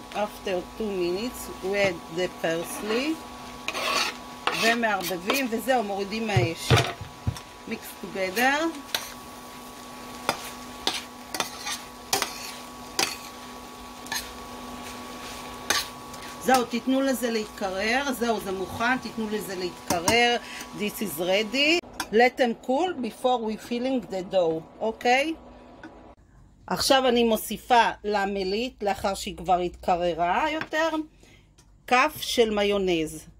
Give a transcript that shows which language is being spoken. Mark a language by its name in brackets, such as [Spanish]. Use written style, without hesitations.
[English] After 2 minutes we add the parsley [Hebrew] ומערבבים, וזהו, מורידים מהאש. [English] Mix together. [Hebrew] זהו, תיתנו לזה להתקרר. זהו, זה מוכן, תיתנו לזה להתקרר. [English] This is ready. Let them cool before we filling the dough, okay? [Hebrew] עכשיו אני מוסיפה למלית, לאחר שהיא כבר התקררה יותר, כף של מיונז.